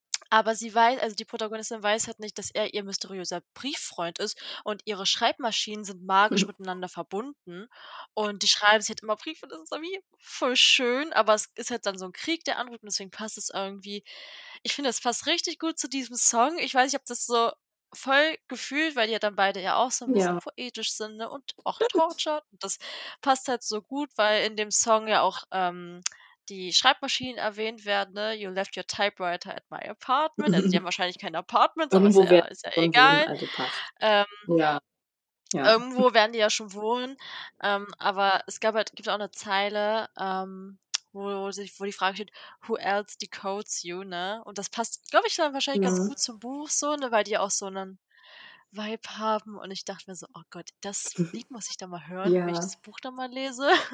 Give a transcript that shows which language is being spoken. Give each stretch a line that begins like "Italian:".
German: Aber sie weiß, also die Protagonistin weiß halt nicht, dass er ihr mysteriöser Brieffreund ist und ihre Schreibmaschinen sind magisch miteinander verbunden und die schreiben sich halt immer Briefe und das ist irgendwie voll schön, aber es ist halt dann so ein Krieg, der anruft und deswegen passt es irgendwie, ich finde, es passt richtig gut zu diesem Song, ich weiß nicht, ob das so voll gefühlt, weil die ja dann beide ja auch so ein bisschen poetisch sind, ne? Und auch tortured und das passt halt so gut, weil in dem Song ja auch die Schreibmaschinen erwähnt werden, ne?
English: You left your typewriter at my apartment.
German: Also die haben wahrscheinlich kein Apartment, aber ist ja egal. Irgendwo werden die ja schon wohnen. Aber es gibt auch eine Zeile, wo die Frage steht,
English: who else decodes you,
German: ne? Und das passt, glaube ich, dann wahrscheinlich ganz gut zum Buch, so, ne? Weil die auch so einen Vibe haben und ich dachte mir so, oh Gott, das Lied muss ich da mal hören, wenn ich das Buch da mal lese.